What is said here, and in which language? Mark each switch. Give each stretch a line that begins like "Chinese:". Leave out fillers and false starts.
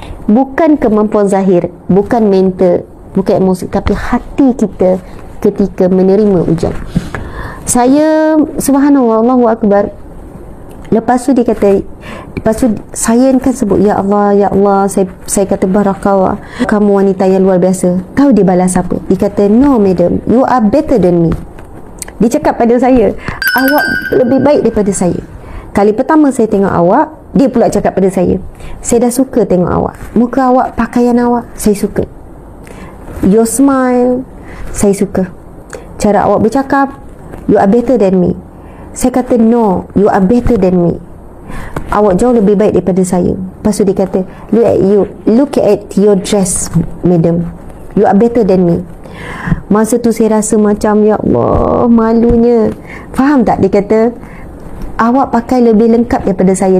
Malay: Bukan kemampuan zahir, bukan mental, bukan emosi, tapi hati kita ketika menerima ujian. Saya, subhanallah, Allahu Akbar. Lepas tu dia kata, lepas tu saya kan sebut, ya Allah, ya Allah. Saya kata, barakallah, kamu wanita yang luar biasa. Tahu dia balas apa? Dia kata,
English: no madam, you are better than me.
Malay: Dia cakap pada saya, awak lebih baik daripada saya. Kali pertama saya tengok awak, dia pula cakap pada saya, saya dah suka tengok awak. Muka awak, pakaian awak, saya suka.
English: Your smile,
Malay: saya suka. Cara awak bercakap,
English: you are better than me.
Malay: Saya kata,
English: no, you are better than me.
Malay: Awak jauh lebih baik daripada saya. Lepas tu dia kata,
English: look at your dress, madam. You are better than me.
Malay: Masa tu saya rasa macam, ya Allah, malunya. Faham tak? Dia kata, awak pakai lebih lengkap daripada saya.